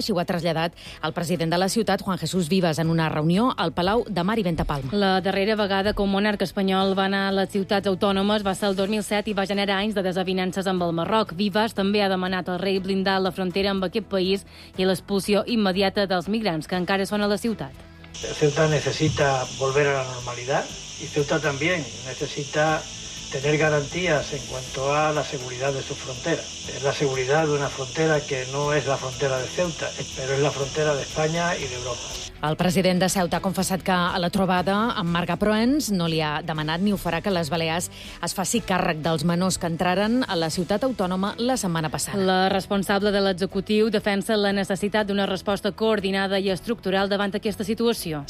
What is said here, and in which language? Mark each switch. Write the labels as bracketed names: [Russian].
[Catalan] Així ho ha traslladat el president de la ciutat, Juan Jesús Vives, en una reunió al Palau de Mar i Ventapalma. La darrera vegada que un monarca espanyol va anar a les ciutats autònomes va ser el 2007 i va generar anys de desavinences amb el Marroc. Vives també ha demanat al rei blindar la frontera amb aquest país i l'expulsió immediata dels migrants que encara són a la ciutat. [Spanish] Ceuta necessita volver a la normalidad y Ceuta también necesita tener garantías en cuanto a la seguridad de su frontera. Es la seguridad de una frontera que no es la frontera de Ceuta, pero es la frontera de España y de Europa. [Catalan] El president de Ceuta ha confessat que a la trobada amb Marga Proens no li ha demanat ni ho farà que les Balears es faci càrrec dels menors que entraren a la ciutat autònoma la setmana passada. La responsable de l'executiu defensa la necessitat d'una resposta coordinada i estructural davant aquesta situació.